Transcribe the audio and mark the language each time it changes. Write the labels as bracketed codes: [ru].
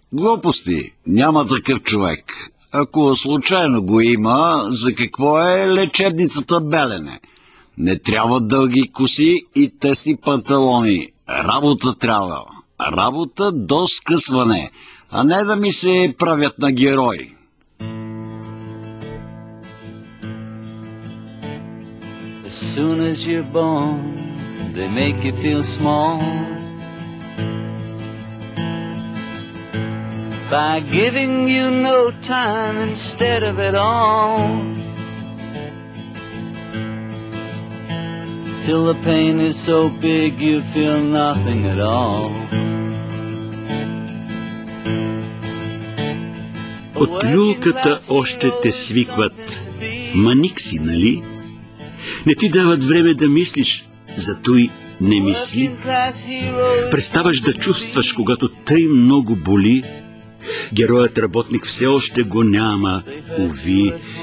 [bg] Глупости, няма такъв човек. Ако случайно го има, за какво е лечебницата Белене? Не трябва дълги коси и тесни панталони. Работа трябва. Работа до скъсване, а не да ми се правят на герои. [en] As soon as you're born, they make you feel small by giving you no time instead of it all. Till the pain is so big you feel nothing at all. [bg] От люлката още те свикват. Маник си, нали? Не ти дават време да мислиш, затуй не мисли. Представаш да чувстваш, когато тъй много боли. Героят работник все още го няма, уви.